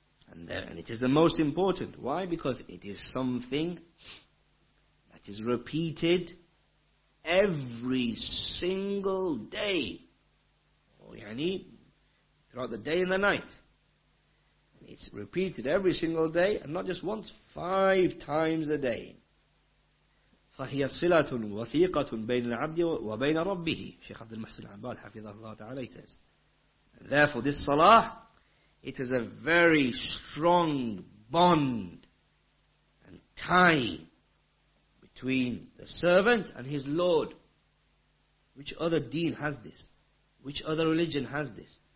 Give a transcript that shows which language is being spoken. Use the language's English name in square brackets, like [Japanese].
[English] And it is the most important. Why? Because it is something that is repeated every single day. Or yani, throughout the day and the night. It's repeated every single day, and not just once, five times a day. [Arabic] فهي صلة وثيقة بين العبد وبين ربه. شيخ عبد المحسن العباد حفظه الله تعالى says. [English] Therefore, this salah, it is a very strong bond and tie between the servant and his Lord. Which other deen has this? Which other religion has this?